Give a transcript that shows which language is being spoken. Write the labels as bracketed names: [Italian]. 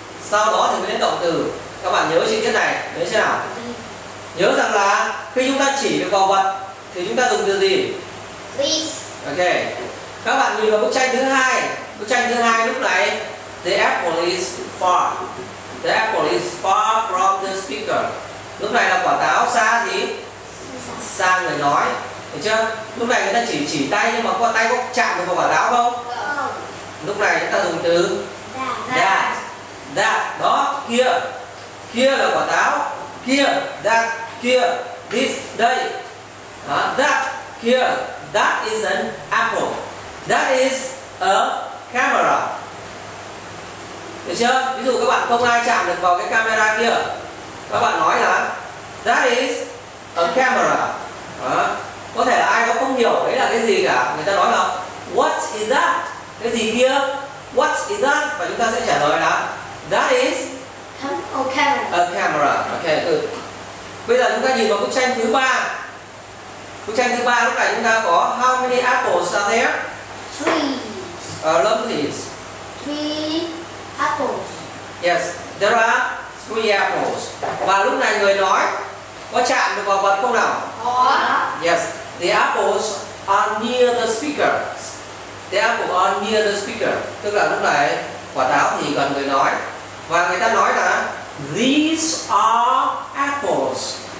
[Vietnamese] Sau đó thì mới đến động từ. Các bạn nhớ chi tiết này, nhớ thế nào? Nhớ rằng là khi chúng ta chỉ được vào vật thì chúng ta dùng từ gì? [English] This. Ok. [Vietnamese] Các bạn nhìn vào bức tranh thứ hai. Bức tranh thứ hai lúc này [English] the apple is far. The apple is far from the speaker. [Vietnamese] Lúc này là quả táo xa gì? Xa người nói. Được chưa? Lúc này người ta chỉ tay, nhưng mà qua tay có chạm được vào quả táo không? Không. Lúc này chúng ta dùng từ [English] that. [Vietnamese] That. Đó, kia. Kia là quả táo. Kia, that, kia. This, đây. [English] Đó, that, kia. That is an apple. That is a camera. Được chưa? [Vietnamese] Ví dụ các bạn không ai chạm được vào cái camera kia, các bạn nói là [English] that is a camera. [Vietnamese] Đó. Có thể là ai đó không hiểu đấy là cái gì cả, người ta nói là [English] is that? [Vietnamese] Cái gì kia? [English] What is that? [Vietnamese] Và chúng ta sẽ trả lời là [English] that is a camera. A camera. Okay, good. [Vietnamese] Bây giờ chúng ta nhìn vào bức tranh thứ ba. Bức tranh thứ ba lúc này chúng ta có [English] how many apples are there? Three. Love this. Three apples. Yes, there are three apples. [Vietnamese] Và lúc này người nói có chạm được vào vật không nào? Có. [English] Yes, the apples are near the speaker. The apples are near the speaker. [Vietnamese] Tức là lúc này quả táo thì gần người nói. Và người ta nói là [English] these are apples.